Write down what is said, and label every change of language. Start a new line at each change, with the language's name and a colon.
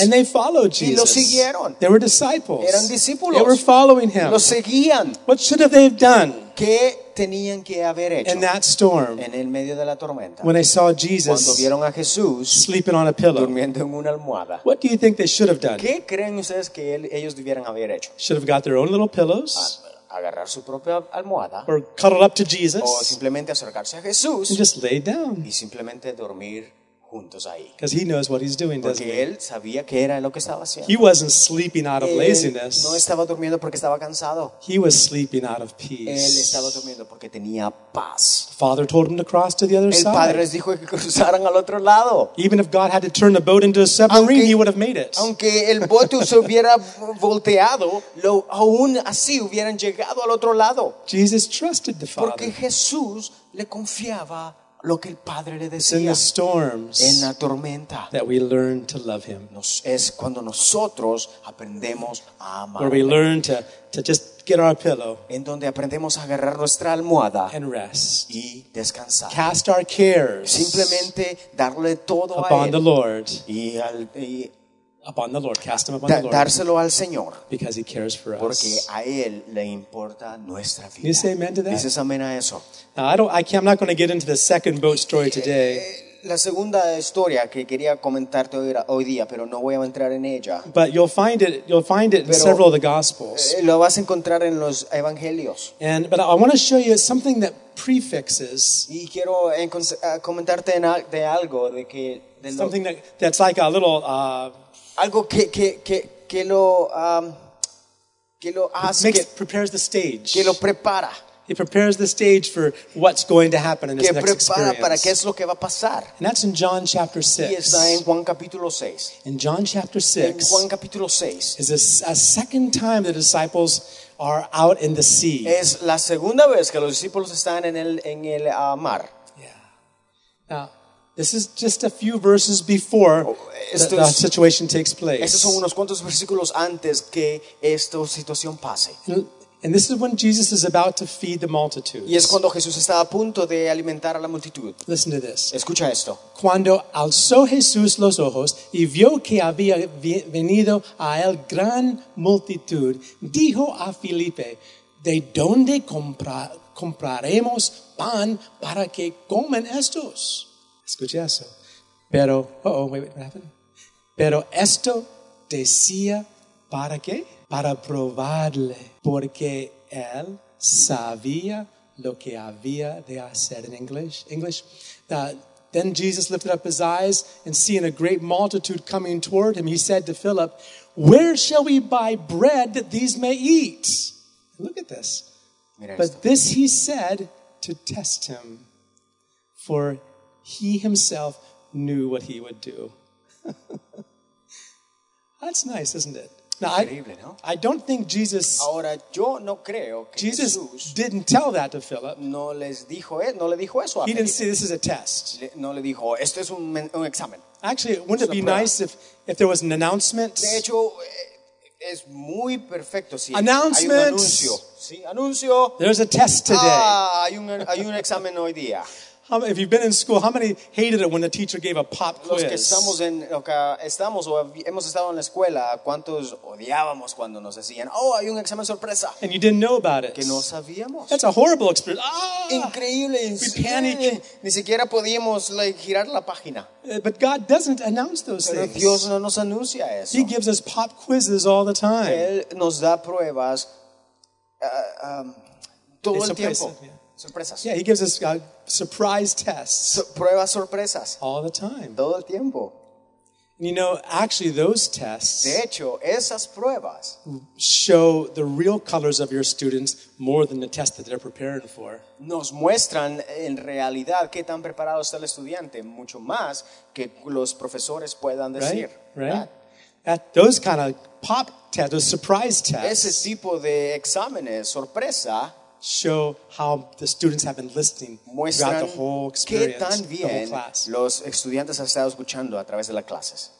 English: And they followed Jesus.
Spanish: Y lo siguieron.
English: They were disciples.
Spanish: Eran discípulos.
English: They were following him.
Spanish: Lo seguían.
English: What should have they done?
Spanish: ¿Qué tenían que haber hecho?
English: In that storm.
Spanish: En el medio de la tormenta.
English: When they saw Jesus.
Spanish: Cuando vieron a Jesús.
English: Sleeping on a pillow.
Spanish: Durmiendo en una almohada.
English: What do you think they should have done?
Spanish: ¿Qué creen ustedes que ellos debieran haber hecho?
English: Should have got their own little pillows.
Spanish: Agarrar su propia almohada,
English: or cuddle up to Jesus,
Spanish: o simplemente acercarse a Jesús,
English: and just lay down,
Spanish: y simplemente dormir juntos ahí.
English: Because he knows what he's doing, doesn't he?
Spanish: Porque él sabía qué era lo que estaba haciendo.
English: He wasn't sleeping out of laziness.
Spanish: No estaba durmiendo porque estaba cansado.
English: He was sleeping out of peace.
Spanish: Él estaba durmiendo porque tenía paz.
English: Father told him to cross to the other
Spanish: side. El padre les dijo que cruzaran al otro lado.
English: Even if God had to turn the boat into a submarine, he would have made it.
Spanish: Aunque el bote se hubiera volteado, aún así hubieran llegado al otro lado.
English: Jesus trusted the Father.
Spanish: Porque Jesús le confiaba lo que el padre le decía.
English: It's in the storms,
Spanish: en la tormenta,
English: that we learn to love him.
Spanish: Es cuando nosotros aprendemos a amarle.
English: Where we learn to just get our pillow,
Spanish: en donde aprendemos a agarrar nuestra almohada,
English: and rest,
Spanish: y descansar.
English: Cast our cares,
Spanish: simplemente darle todo
English: upon
Spanish: a él,
English: the Lord,
Spanish: y
English: upon the Lord, cast him upon the Lord.
Spanish: Dárselo al Señor,
English: because he cares for us.
Spanish: Porque a él le importa nuestra vida.
English: Can you say amen to that?
Spanish: Dices amén a eso.
English: Now, I'm not going to get into the second boat story today.
Spanish: La segunda historia que quería comentarte hoy día, pero no voy a entrar en ella.
English: But you'll find it in several of the Gospels.
Spanish: Lo vas a encontrar en los Evangelios.
English: But I want to show you something that prefixes.
Spanish: Y quiero comentarte de algo de que de
English: something that's like a little.
Spanish: Algo que lo hace,
English: prepares the stage.
Spanish: Que lo prepara.
English: He prepares the stage for what's going to happen in this
Spanish: que
English: next experience.
Spanish: Que prepara para qué es lo que va a pasar.
English: And that's in John chapter 6.
Spanish: Y está en Juan capítulo 6.
English: In John chapter 6.
Spanish: En Juan capítulo 6.
English: Is a second time the disciples are out in the sea.
Spanish: Es la segunda vez que los discípulos están en el mar.
English: Yeah. Now, this is just a few verses before the situation takes place.
Spanish: Estos son unos cuantos versículos antes que esta situación pase.
English: And this is when Jesus is about to feed the multitudes.
Spanish: Y es cuando Jesús está a punto de alimentar a la multitud.
English: Listen to this.
Spanish: Escucha esto. Cuando alzó Jesús los ojos y vio que había venido a él gran multitud, dijo a Felipe, ¿de dónde compraremos pan para que coman estos? Escucha eso. Pero,
English: wait, what happened?
Spanish: Pero esto decía, ¿para qué? Para probarle, porque él sabía lo que había de hacer.
English: In English. Then Jesus lifted up his eyes, and seeing a great multitude coming toward him, he said to Philip, "Where shall we buy bread that these may eat?" Look at this. But this he said to test him, for he himself knew what he would do. That's nice, isn't it? Now, I don't think Jesus.
Spanish: Ahora, yo no creo que
English: Jesus didn't tell that to Philip.
Spanish: No les dijo, no le dijo eso a
English: Felipe. He didn't say this is a test.
Spanish: No le dijo, esto es un examen.
English: Actually, wouldn't it be nice if there was an announcement?
Spanish: De hecho, es muy perfecto si
English: announcement.
Spanish: Hay un anuncio. Sí, anuncio.
English: There's a test today.
Spanish: Hay un examen hoy día.
English: If you've been in school, how many hated it when the teacher gave a pop quiz?
Spanish: Los que estamos en, lo que estamos o hemos estado en la escuela, ¿cuántos odiábamos cuando nos decían, oh, hay un examen sorpresa?
English: And you didn't know about it.
Spanish: Que no sabíamos.
English: That's a horrible experience. Ah,
Spanish: increíble.
English: We panic.
Spanish: Ni siquiera podíamos girar la página.
English: But God doesn't announce those
Spanish: Pero
English: things.
Spanish: Dios no nos anuncia eso.
English: He gives us pop quizzes all the time.
Spanish: Él nos da pruebas todo el tiempo. Sorpresas.
English: Yeah, he gives us surprise tests.
Spanish: Pruebas sorpresas.
English: All the time.
Spanish: Todo el tiempo.
English: You know, actually those tests,
Spanish: de hecho, esas pruebas
English: show the real colors of your students more than the test that they're preparing for.
Spanish: Nos muestran en realidad qué tan preparado está el estudiante, mucho más que los profesores puedan decir.
English: Right? Right? At those kind of pop tests, those surprise tests.
Spanish: Ese tipo de exámenes sorpresa
English: show how the students have been listening throughout the whole experience,
Spanish: qué tan bien
English: the whole class.
Spanish: Los estudiantes han estado escuchando a través de las clases.